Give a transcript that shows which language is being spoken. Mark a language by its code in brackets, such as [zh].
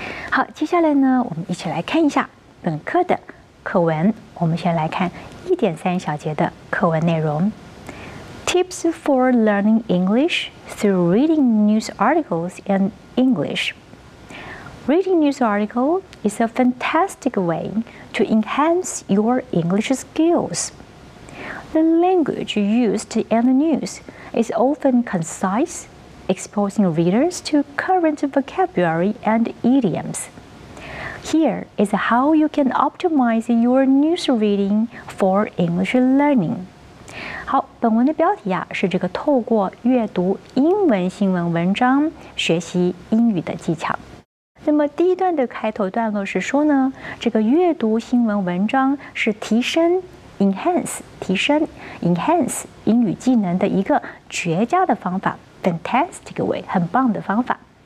[zh] 好，接下来呢，我们一起来看一下本课的课文。我们先来看 1.3 小节的课文内容。 [en] Tips for learning English through reading news articles and English. Reading news article is a fantastic way to enhance your English skills. The language used in the news is often concise, exposing readers to current vocabulary and idioms. Here is how you can optimize your news reading for English learning. [zh] 好，本文的标题啊，是这个透过阅读英文新闻文章学习英语的技巧。那么第一段的开头段落是说呢，这个阅读新闻文章是提升英语技能的一个绝佳的方法 ， [en] fantastic way， [zh] 很棒的方法。